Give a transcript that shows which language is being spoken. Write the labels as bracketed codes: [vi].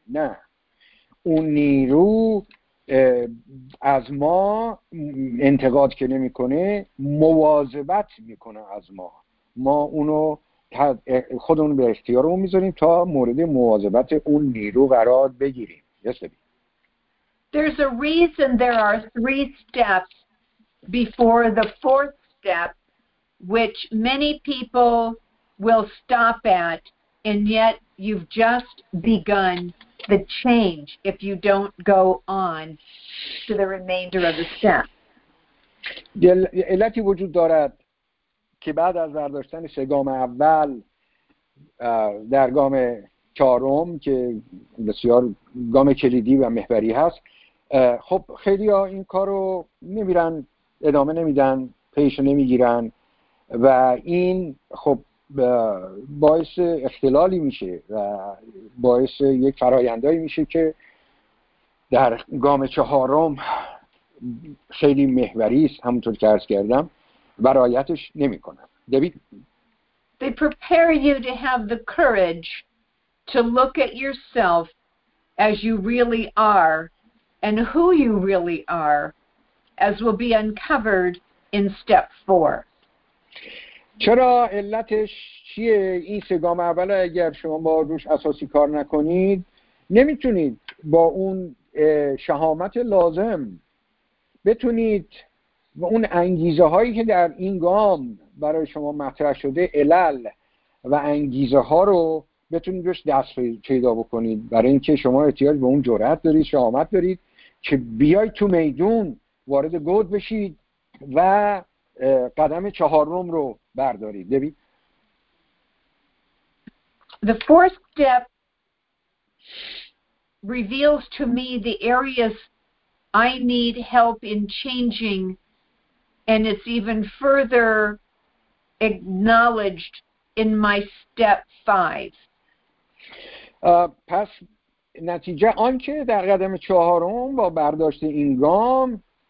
[fa] نه، اون نیرو از ما انتقاد که نمی کنه مواظبت می کنه از ما. ما اونو خودمون به اختیارمون میذاریم تا مورد مواظبت اون نیرو قرار بگیریم. [en] There's a reason there are three steps before the fourth step, which many people will stop at, and yet you've just begun the change if you don't go on to the remainder of the step. [fa] علتی وجود دارد که بعد از برداشتن سه گام اول در گام چهارم که بسیار گام کلیدی و محوری هست، خب خیلی ها این کارو نمیرن، ادامه نمیدن، پیشو نمیگیرن و این خب باعث اختلالی میشه و باعث یک فرایندی میشه که در گام چهارم خیلی محوری است همونطور که عرض کردم و رعایتش نمیکنن. دبی؟ [en] They prepare you to have the courage to look at yourself as you really are and who you really are, as will be uncovered in step 4. [fa] چرا علتش چیه؟ این سه گام اول اگر شما با روش اساسی کار نکنید نمیتونید با اون شهامت لازم بتونید و اون انگیزه هایی که در این گام برای شما مطرح شده علل و انگیزه ها رو بتونید روش دست پیدا بکنید. برای اینکه شما احتیاج به اون جرأت دارید، شهامت دارید که بیاید تو میدون وارد گود بشید و قدم چهارم رو بردارید. ببین. [en] The fourth step reveals to me the areas I need help in changing, and it's even further acknowledged in my step 5. [fa] پس نتیجه آن که در قدم چهارم با برداشت این گام